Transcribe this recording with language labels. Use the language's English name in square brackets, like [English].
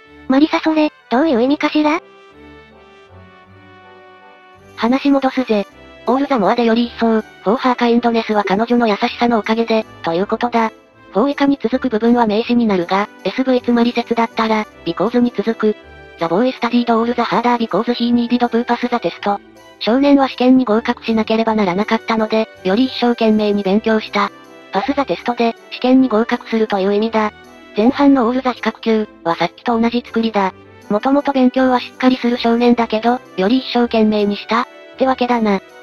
[Japanese] マリサそれ、どういう意味かしら？話戻すぜ。オールザモアでより一層、フォーハーカインドネスは彼女の優しさのおかげで、ということだ。フォー以下に続く部分は名詞になるが、SV つまり説だったら、ビコーズに続く。 [English] The boy studied all the harder because he needed to pass the test。 [Japanese] 少年は試験に合格しなければならなかったので、より一生懸命に勉強した。 pass the test で、試験に合格するという意味だ。前半のオールザ比較級、はさっきと同じ作りだ。もともと勉強はしっかりする少年だけど、より一生懸命にした、ってわけだな。